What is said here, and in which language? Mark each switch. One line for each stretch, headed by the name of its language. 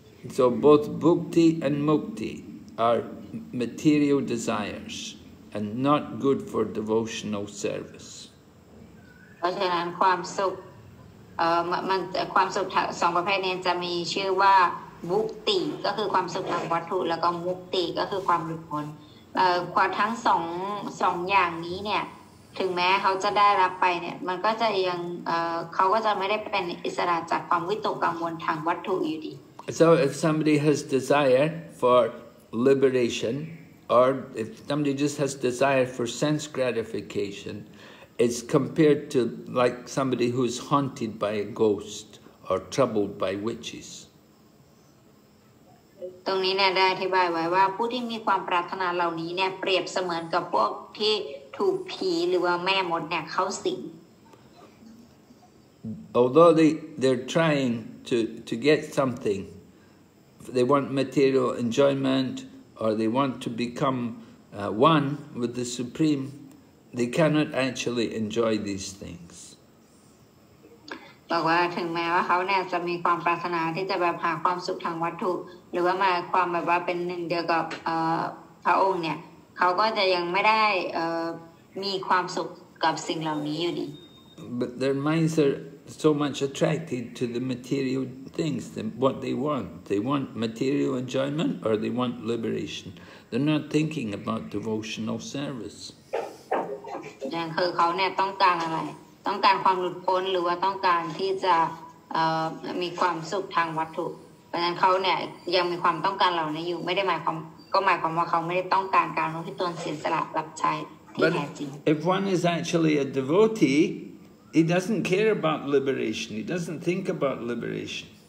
English: So both bhakti and mukti are material desires and not good for devotional service.
Thai: เพราะฉะนั้นความสุขมันความสุขสองประเภทนี้จะมีชื่อว่าบุคติก็คือความสุขทางวัตถุแล้วก็มุคติก็คือความหลุดพ้นความทั้งสองอย่างนี้เนี่ยถึงแม้เขาจะได้รับไปเนี่ยมันก็จะยังเขาก็จะไม่ได้เป็นอิสระจากความวิตกกังวลทางวัตถุอยู่ดี
English: So if somebody has desire for liberation or if somebody just has desire for sense gratification it's compared to like somebody who is haunted by a ghost or troubled by witches
Thai: ตรงนี้เนี่ยได้อธิบายไว้ว่าผู้ที่มีความปรารถนาเหล่านี้เนี่ยเปรียบเสมือนกับพวกที่ถูกผีหรือว่าแม่มดเนี่ยเข้าสิง
English: Although they're trying to get something they want material enjoyment or they want to become one with the supreme they cannot actually enjoy these things
Thai: บอกว่าถึงแม้ว่าเขาเนี่ยจะมีความปรารถนาที่จะแบบหาความสุขทางวัตถุหรือว่ามาความแบบว่าเป็นหนึ่งเดียวกับพระองค์เนี่ยเขาก็จะยังไม่ได้มีความสุขกับสิ่งเหล่านี้อยู่ดี
English: But their minds are so much attracted to the material things that what they want material enjoyment or they want liberation they're not thinking about devotional service
Thai: ยังคือเขาเนี่ยต้องการอะไรต้องการความหลุดพ้นหรือว่าต้องการที่จะมีความสุขทางวัตถุเพราะฉะนั้นเขาเนี่ยยังมีความต้องการเหล่านี้อยู่ไม่ได้หมายความก็หมายความว่าเขาไม่ได้ต้องการการรู้ที่ตนเสียสละรับใช้
English: But if one is actually a devotee, he doesn't care about liberation. He doesn't think about liberation.